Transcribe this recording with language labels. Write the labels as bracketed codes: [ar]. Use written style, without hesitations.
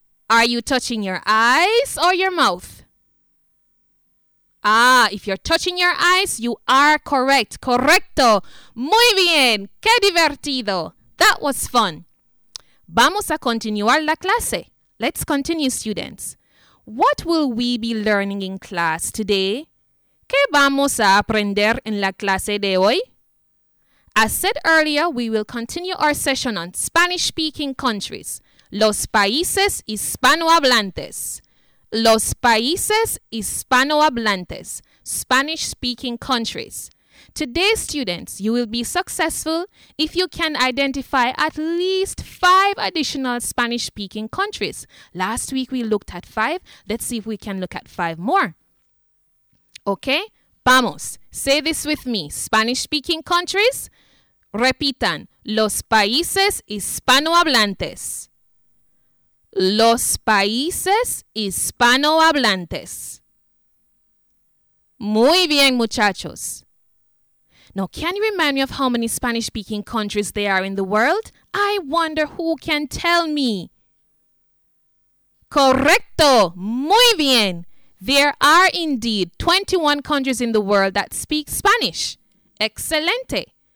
[en] Are you touching your eyes or your mouth? Ah, if you're touching your eyes, you are correct. [es] Correcto. Muy bien. Qué divertido. [en] That was fun. [es] Vamos a continuar la clase. [en] Let's continue, students. What will we be learning in class today? [es] ¿Qué vamos a aprender en la clase de hoy? [en] As said earlier, we will continue our session on Spanish-speaking countries. [es] Los países hispanohablantes. Los países hispanohablantes. [en] Spanish-speaking countries. Today, students, you will be successful if you can identify at least 5 additional Spanish-speaking countries. Last week, we looked at 5. Let's see if we can look at 5 more. Okay? Vamos. Say this with me. Spanish-speaking countries. [es] Repitan. Los países hispanohablantes. Los países hispanohablantes. Muy bien, muchachos. [en] Now, can you remind me of how many Spanish-speaking countries there are in the world? I wonder who can tell me. Correcto. [es] Muy bien. [en] There are indeed 21 countries in the world that speak Spanish. Excelente.